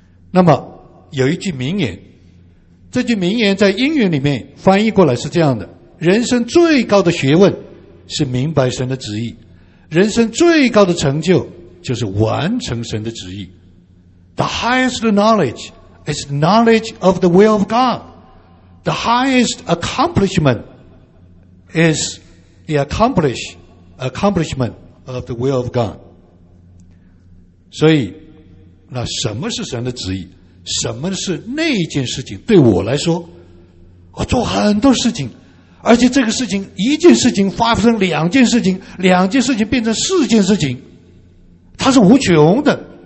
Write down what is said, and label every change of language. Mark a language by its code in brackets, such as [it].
[zh] 那么有一句名言，这句名言在英语里面翻译过来是这样的：人生最高的学问是明白神的旨意，人生最高的成就就是完成神的旨意。 [en] The highest knowledge is knowledge of the will of God. The highest accomplishment is the accomplishment of the will of God. [zh] 所以那什么是神的旨意，什么是那一件事情？对我来说，我做很多事情，而且这个事情，一件事情发生两件事情，两件事情变成四件事情，它是无穷的。